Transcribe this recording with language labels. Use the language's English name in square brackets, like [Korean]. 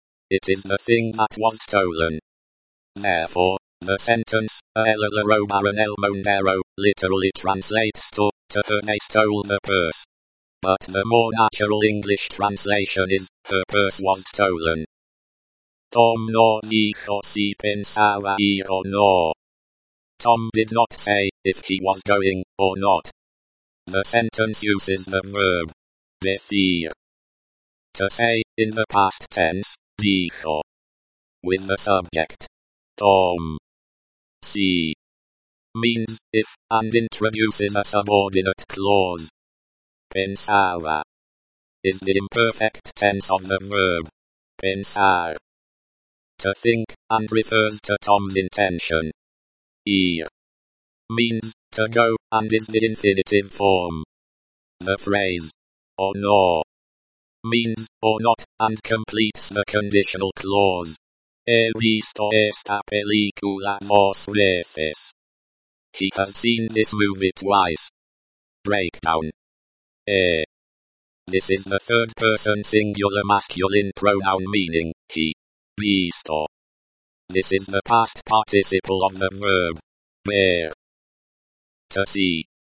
[English] It is the thing that was stolen. Therefore, the sentence, [Spanish] ella le robaron el monedero, [English] literally translates to her they stole the purse. But the more natural English translation is, her purse was stolen. [Spanish] Tom no dijo si pensaba ir o no. [English] Tom did not say, if he was going, or not. The sentence uses the verb, decir, to say, in the past tense, dijo, with the subject, Tom. Si means if, and introduces a subordinate clause. Pensaba is the imperfect tense of the verb pensar, to think, and refers to Tom's intention. Ir means to go, and is the infinitive form. The phrase o no means or not, and completes the conditional clause. [Spanish] He visto esta película dos veces. [English] He has seen this movie twice. Breakdown. This is the third person singular masculine pronoun meaning he. Visto. This is the past participle of the verb ver. To see.